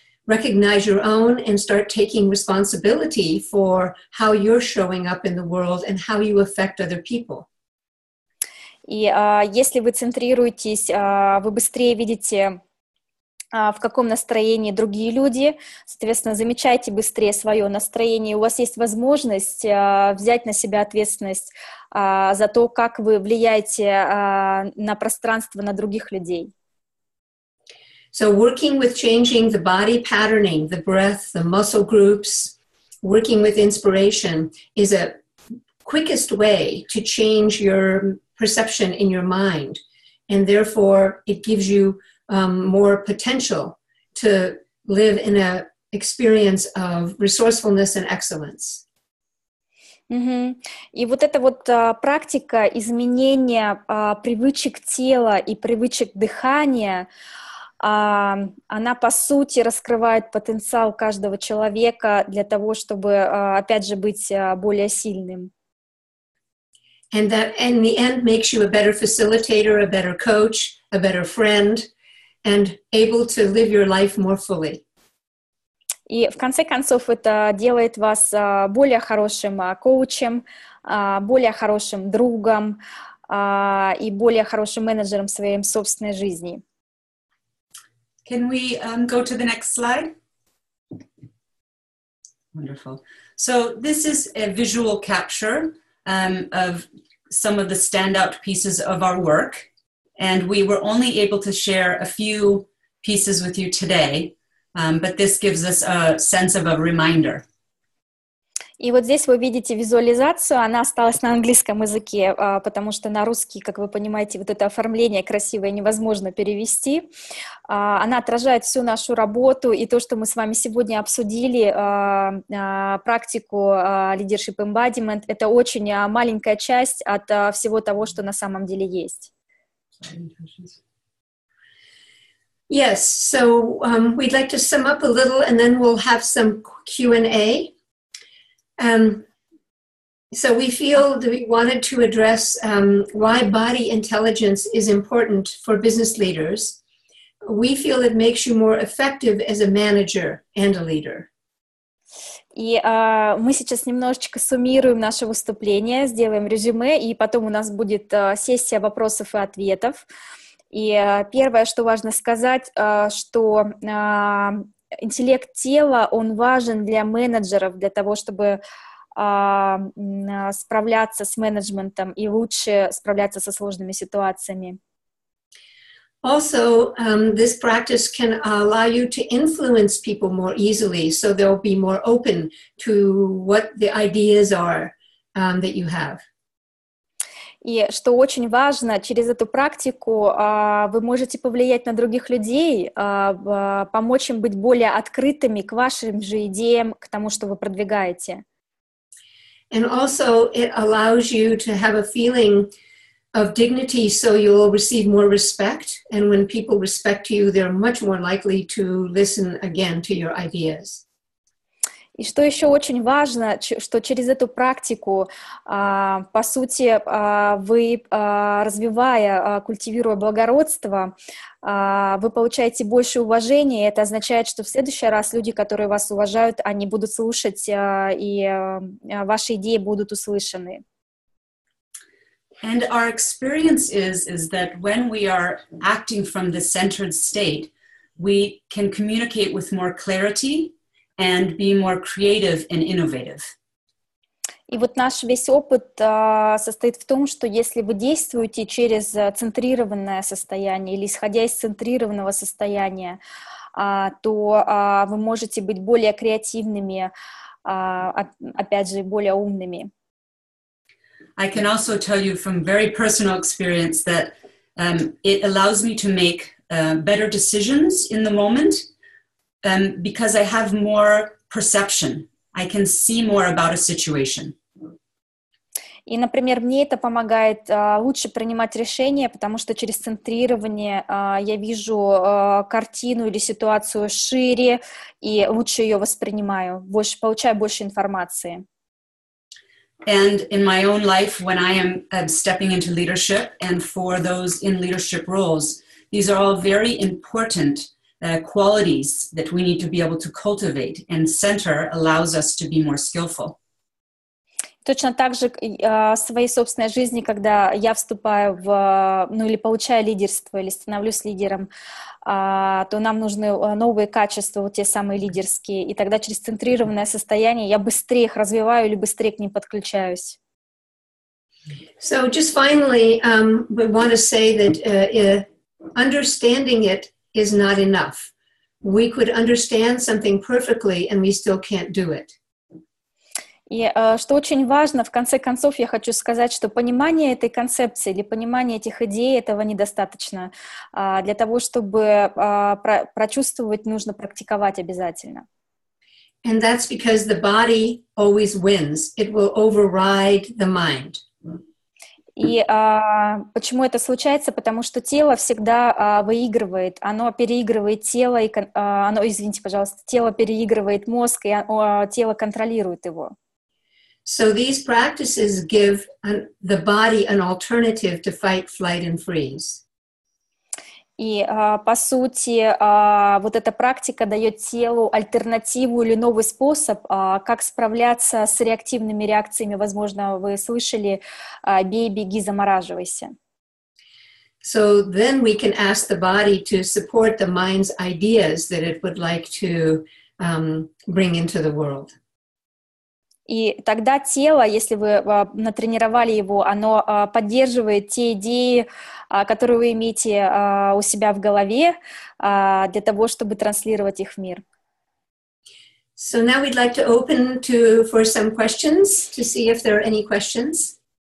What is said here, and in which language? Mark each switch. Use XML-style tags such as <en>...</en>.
<en>Recognize your own and start taking responsibility for how you're showing up in the world and how you affect other people.</en> <ru>И если вы центрируетесь, вы быстрее видите, в каком настроении другие люди, соответственно, замечайте быстрее свое настроение. У вас есть возможность взять на себя ответственность за то, как вы влияете на пространство, на других людей.</ru> <en>So working with changing the body patterning, the breath, the muscle groups, working with inspiration is a quickest way to change your perception in your mind. And therefore, it gives you more potential to live in an experience of resourcefulness and excellence. Угу.</en> <ru>И вот эта вот практика изменения привычек тела и привычек дыхания, она, по сути, раскрывает потенциал каждого человека для того, чтобы, опять же, быть более сильным.</ru> <en>And that in the end makes you a better facilitator, a better coach, a better friend, and able to live your life more fully.</en> <ru>И в конце концов это делает вас более хорошим коучем, более хорошим другом и более хорошим менеджером своей собственной жизни.</ru> <en>Can we go to the next slide? Wonderful. So this is a visual capture of some of the standout pieces of our work. And we were only able to share a few pieces with you today, but this gives us a sense of a reminder.</en> <ru>И вот здесь вы видите визуализацию, она осталась на английском языке, потому что на русский, как вы понимаете, вот это оформление красивое невозможно перевести. Она отражает всю нашу работу и то, что мы с вами сегодня обсудили, практику leadership embodiment. Это очень маленькая часть от всего того, что на самом деле есть.</ru> <en>Yes, so we'd like to sum up a little and then we'll have some Q&A. So we feel that we wanted to address why body intelligence is important for business leaders. We feel it makes you more effective as a manager and a leader.</en> <ru>И мы сейчас немножечко суммируем наше выступление, сделаем резюме, и потом у нас будет сессия вопросов и ответов. И первое, что важно сказать, что интеллект тела, он важен для менеджеров, для того, чтобы справляться с менеджментом и лучше справляться со сложными ситуациями.</ru> <en>Also, this practice can allow you to influence people more easily, so they'll be more open to what the ideas are that you have.</en> <ru>И что очень важно, через эту практику вы можете повлиять на других людей, помочь им быть более открытыми к вашим же идеям, к тому, что вы продвигаете.</ru> <en>And also it allows you to have a feeling of dignity, so you'll receive more respect. And when people respect you, they're much more likely to listen again to your ideas.</en> <ru>И что еще очень важно, что через эту практику, по сути, вы, развивая, культивируя благородство, вы получаете больше уважения, и это означает, что в следующий раз люди, которые вас уважают, они будут слушать, и ваши идеи будут услышаны.</ru> <en>And our experience is that when we are acting from the centered state, we can communicate with more clarity and be more creative and innovative.</en> <ru>И вот наш весь опыт состоит в том, что если вы действуете через центрированное состояние или исходя из центрированного состояния, то вы можете быть более креативными, опять же, более умными.</ru> <en>I can also tell you from very personal experience that it allows me to make better decisions in the moment because I have more perception. I can see more about a situation.</en> <ru>И, например, мне это помогает лучше принимать решения, потому что через центрирование я вижу картину или ситуацию шире и лучше ее воспринимаю, больше, получаю больше информации.</ru> <en>And in my own life, when I am stepping into leadership and for those in leadership roles, these are all very important qualities that we need to be able to cultivate, and center allows us to be more skillful.</en> <ru>Точно так же в своей собственной жизни, когда я вступаю в, ну или получаю лидерство, или становлюсь лидером, то нам нужны новые качества, вот те самые лидерские, и тогда через центрированное состояние я быстрее их развиваю или быстрее к ним подключаюсь.</ru> <en>So just finally, we want to say that understanding it is not enough. We could understand something perfectly, and we still can't do it.</en> <ru>И что очень важно, в конце концов, я хочу сказать, что понимание этой концепции или понимание этих идей, этого недостаточно. Для того, чтобы прочувствовать, нужно практиковать обязательно.</ru> <en>And that's because the body always wins. It will override the mind.</en> <ru>И почему это случается? Потому что тело всегда выигрывает. Оно переигрывает тело, и, оно, извините, пожалуйста, тело переигрывает мозг, и тело контролирует его.</ru> <en>So these practices give the body an alternative to fight, flight, and freeze.</en> <ru>И по сути, вот эта практика дает телу альтернативу или новый способ, как справляться с реактивными реакциями. Возможно, вы слышали: бей, беги, замораживайся.</ru> <en>So then we can ask the body to support the mind's ideas that it would like to bring into the world.</en> <ru>И тогда тело, если вы натренировали его, оно поддерживает те идеи, которые вы имеете у себя в голове, для того, чтобы транслировать их в мир.</ru> <en>So now we'd like to open to for some questions, to see if there are any questions.</en>